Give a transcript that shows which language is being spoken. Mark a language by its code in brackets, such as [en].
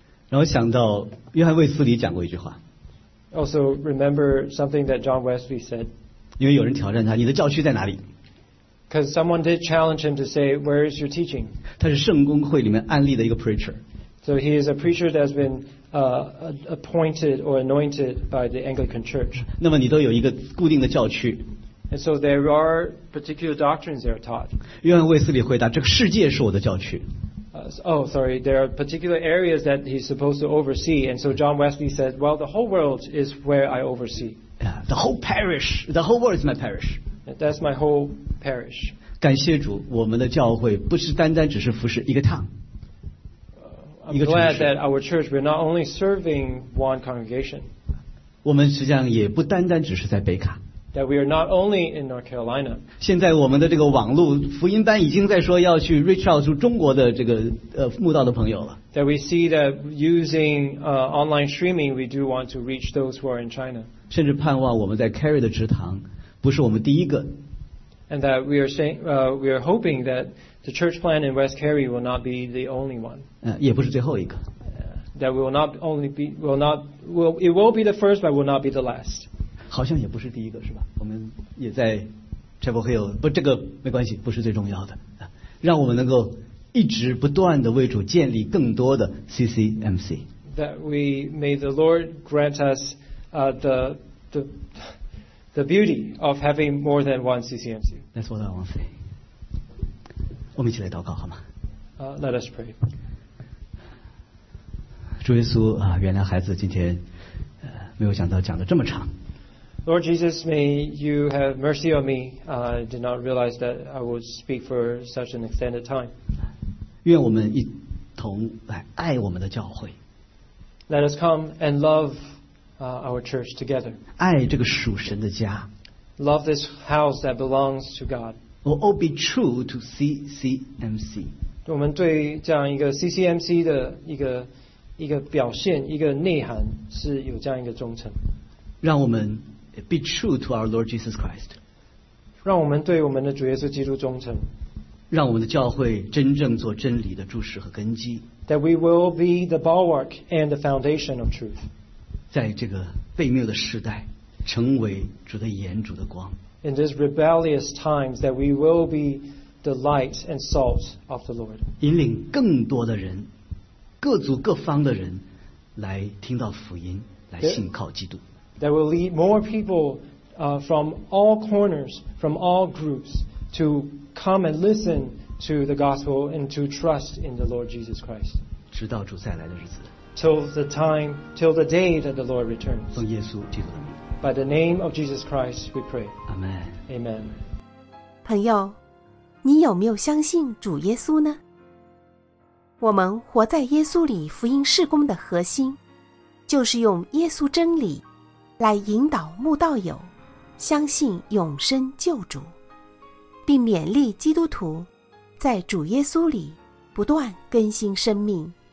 [zh] 然后想到约翰卫斯理讲过一句话。 [en] Also remember something that John Wesley said. [zh] 因为有人挑战他，你的教区在哪里？ [en] Because someone did challenge him to say, "Where is your teaching?" [zh] 他是圣公会里面安立的一个 preacher. [en] So he is a preacher that has been appointed or anointed by the Anglican Church. [zh] 那么你都有一个固定的教区。 [en] And so there are particular doctrines that are taught. [zh] 约翰卫斯理回答：“这个世界是我的教区。” [en] There are particular areas that he's supposed to oversee. And so John Wesley said, "Well, the whole world is where I oversee." Yeah, the whole parish, the whole world is my parish. That's my whole. Parish. [zh] 感谢主，我们的教会不是单单只是服侍一个 town， 一个城市。 [en] I'm glad that our church we're not only serving one congregation. [zh] 我们实际上也不单单只是在北卡。 [en] That we are not only in North Carolina. [zh] 现在我们的这个网络福音班已经在说要去 reach out to 中国的这个慕道的朋友了。 [en] That we see that using online streaming, we do want to reach those who are in China. [zh] 甚至盼望我们在 carry 的职堂不是我们第一个。 [en] And that we are saying, we are hoping that the church plan in West Cary will not be the only one. [zh] 也不是最后一个。 [en] That will not only be, will not, will, it will be the first, but will not be the last. [zh] 好像也不是第一个是吧我们也在 Chapel Hill 不这个没关系不是最重要的让我们能够一直不断地为主建立更多的 CCMC [en] that we may the Lord grant us the beauty of having more than one CCMC that's what I want to say 我们一起来祷告好吗、 let us pray [zh] 主耶稣、原来孩子今天、没有想到讲得这么长 [en] Lord Jesus, may you have mercy on me. I did not realize that I would speak for such an extended time. [zh] 愿我们一同来爱我们的教会。 [en] Let us come and love our church together. [zh] 爱这个属神的家。 [en] Love this house that belongs to God. We'll all be true to CCMC. [zh] 我们对这样一个 CCMC 的一个表现、一个内涵是有这样一个忠诚。 [en] 让我们 Be true to our Lord Jesus Christ. [zh] 让我们对我们的主耶稣基督忠诚。让我们的教会真正做真理的柱石和根基。 [en] That we will be the bulwark and the foundation of truth. [zh] 在这个悖谬的时代，成为主的盐、主的光。 [en] In these rebellious times, that we will be the light and salt of the Lord. [zh] 引领更多的人，各族各方的人，来听到福音，来信靠基督。 [en] That will lead more people from all corners, from all groups, to come and listen to the gospel and to trust in the Lord Jesus Christ. [zh] 直到主再来的日子。 [en] Till the day that the Lord returns. [zh] 奉耶稣基督的名。 [en] By the name of Jesus Christ, we pray. Amen. Amen. [zh] 朋友，你有没有相信主耶稣呢？我们活在耶稣里福音事工的核心，就是用耶稣真理。来引导慕道友相信永生救主，并勉励基督徒在主耶稣里不断更新生命。